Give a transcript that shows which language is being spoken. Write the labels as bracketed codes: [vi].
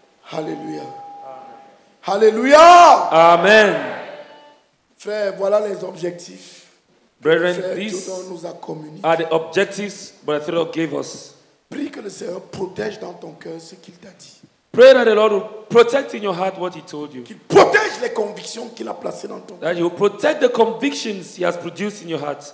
[fr] Alléluia. Alléluia. Amen. Frère, voilà les objectifs. [en] Brethren, these are the objectives that the Lord gave us. [fr] Prie que le Seigneur protège dans ton cœur ce qu'il t'a dit. [en] Pray that the Lord will protect in your heart what he told you. [fr] Qu'il protège les convictions qu'il a placées dans ton cœur. [en] That he will protect the convictions he has produced in your heart.